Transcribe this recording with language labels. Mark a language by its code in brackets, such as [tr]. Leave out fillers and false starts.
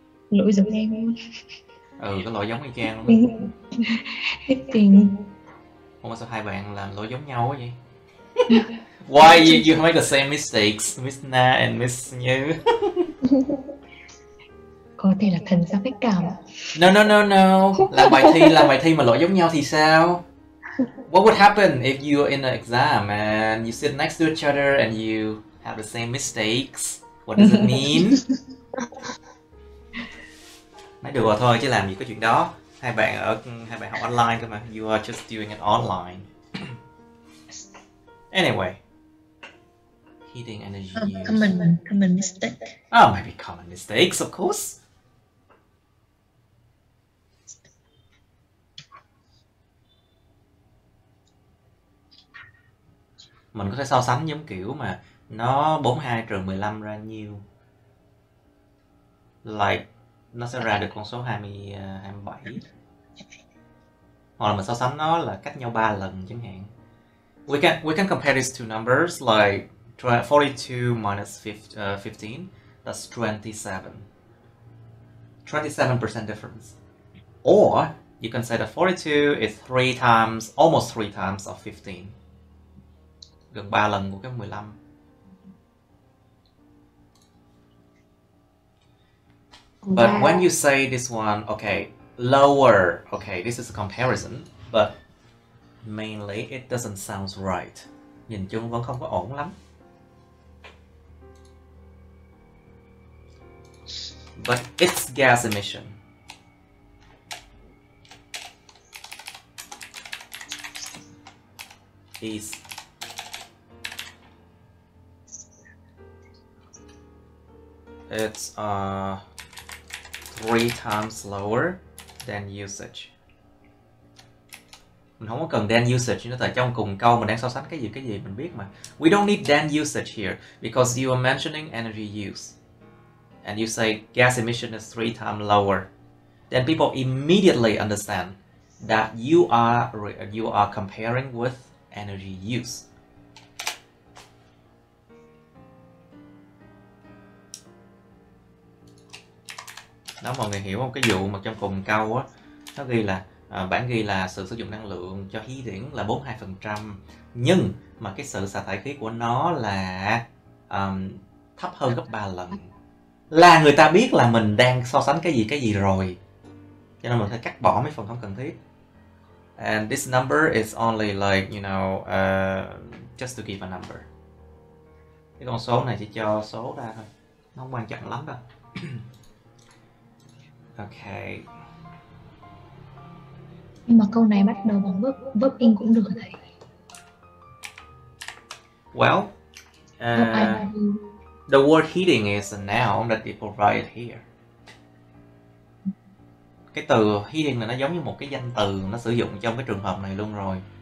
[vi] Lỗi giống em. Cái lỗi giống y chang luôn. Hết tình. Không, sao hai bạn làm lỗi giống nhau quá vậy? [en] Why you make the same mistakes, Miss Na and Miss Như? [vi] Có thể là thần giao cách cảm. [en] No. [vi] Làm bài thi mà lỗi giống nhau thì sao? [en] What would happen if you were in an exam and you sit next to each other and you have the same mistakes? What does it mean? [vi] Nói đùa thôi chứ làm gì có chuyện đó. Hai bạn học online cơ mà. [en] You are just doing it online. Anyway, heating energy use. Common mistake. Oh, maybe common mistakes, of course. [vi] Mình có thể so sánh giống kiểu mà nó 42 trừ 15 ra nhiêu. Like, nó sẽ ra được con số 27. Hoặc là mình so sánh nó là cách nhau 3 lần chẳng hạn. [en] We can compare these two numbers, like 42 minus 15, that's 27. 27% difference. Or you can say that 42 is almost three times of 15. [vi] Gần 3 lần của cái 15. [en] But when you say this one, okay, lower, okay, this is a comparison, but mainly, it doesn't sound right. [vi] Nhìn chung vẫn không có ổn lắm. [en] But it's gas emission. Is. It's three times lower than usage. [vi] Mình không có cần than usage nữa, tại trong cùng câu mình đang so sánh cái gì mình biết mà. [en] We don't need than usage here, because you are mentioning energy use. And you say gas emission is three times lower. then people immediately understand that you are comparing with energy use. [vi] Đó, mọi người hiểu không? Cái vụ mà trong cùng câu á, nó ghi là bản ghi là sự sử dụng năng lượng cho khí điển là 42%, nhưng mà cái sự xả thải khí của nó là thấp hơn gấp 3 lần. Là người ta biết là mình đang so sánh cái gì rồi. Cho nên mình phải cắt bỏ mấy phần không cần thiết. [en] And this number is only like, you know, just to give a number. [vi] Cái con số này chỉ cho số ra thôi. Nó không quan trọng lắm đâu. [en] Okay. [vi] Nhưng mà câu này bắt đầu bằng verb in cũng được thầy. [en] Well, the word heating is a noun that people write here. [vi] Cái từ heating là nó giống như một cái danh từ nó sử dụng trong cái trường hợp này luôn rồi.